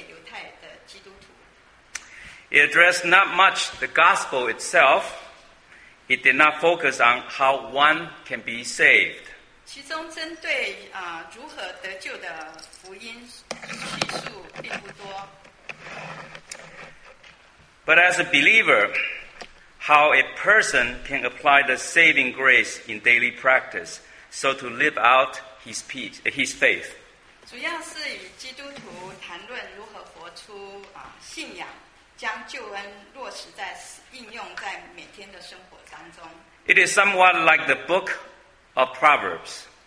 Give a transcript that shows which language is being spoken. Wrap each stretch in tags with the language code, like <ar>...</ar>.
<zh>雅各書在第一世紀大約是主後大概45到50年是寫給猶太的基督徒。</zh> <en>It addressed not much the gospel itself. It did not focus on how one can be saved.</en> <zh>其中針對如何得救的福音敘述並不多。</zh> <en>But as a believer, how a person can apply the saving grace in daily practice so to live out his faith.</en> <zh>主要是以基督徒谈论如何活出, 信仰, 将救恩落实在应用在每天的生活当中。</zh> <en>It is somewhat like the book of Proverbs.</en>